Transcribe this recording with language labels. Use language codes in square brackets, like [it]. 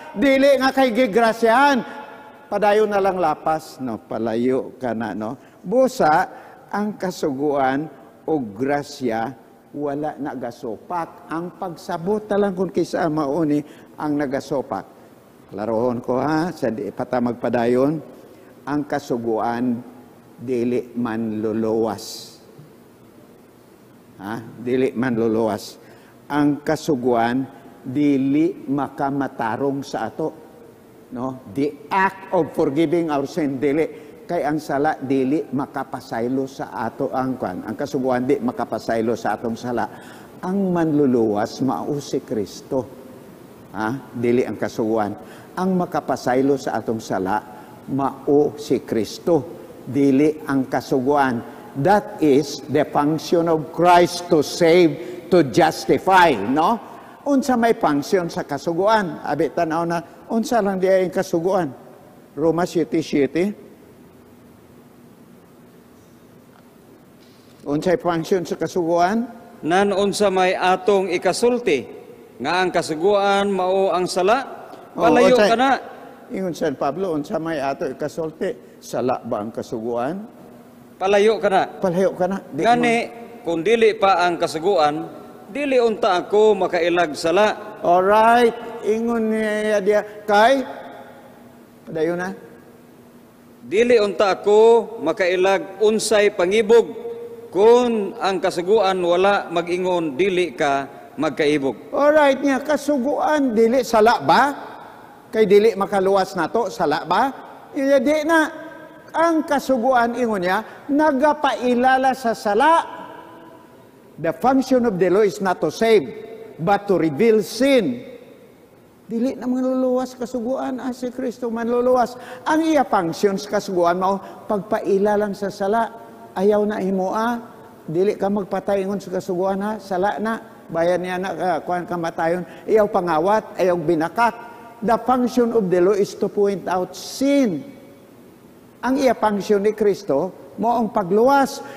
[ceb] Dili nga kay gigrasyahan. Padayo na lang lapas, no? Palayo ka na, no? Busa, ang kasuguan o grasya, wala na gasopak. Ang pagsabot na lang kung kisa mauni ang nagasopak. Klarohon ko ha, sa pata magpadayon, ang kasuguan dili man luluwas. Ha? Dili man luluwas. Ang kasuguan dili makamatarong sa ato. No? [en] The act of forgiving our sin, [ceb] dili. Kay ang sala, dili makapasaylo sa ato. Ang kasuguan di makapasaylo sa atong sala. Ang manluluwas, mao si Kristo. Ha? Dili ang kasuguan. Ang makapasaylo sa atong sala, mao si Kristo, dili ang kasuguan. [en] That is the function of Christ to save, to justify, no? [ceb] Unsa may function sa kasuguan? Abi tanaw na, unsa lang diay ang kasuguan? Roma 7:7. Unsa'y function sa kasuguan? Nan unsa may atong ikasulti, nga ang kasuguan mao ang sala? Palayo ka na. Ingon San Pablo, unsa may ato ikasulti? Sala ba ang kasuguan? Palayo ka na. Palayo ka na. Gani, kung dili pa ang kasuguan, dili unta ako makailag sala. Alright. Ingon niya dia. Kay, padayo na. Dili unta ako makailag unsay pangibog kung ang kasuguan wala magingon dili ka magkaibog. Alright niya, kasuguan, dili sala ba? Kay dili makaluwas nato sala ba? Iya di na. ang kasuguan ingon niya nagapailala sa sala. [en] The function of the law is not to save but to reveal sin. [ceb] Dili na manluluwas kasuguan as si Kristo manluluwas. Ang iya functions kasuguan mao pagpailalan sa sala. Ayaw na himo a dili ka magpatay ingon sa kasuguan ha sala na bayan niya na kuan kamatayon. Iyaw pangawat, ayaw binakak. [en] The function of the law is to point out sin. [ceb] Ang iya function ni Kristo mo ang pagluwas.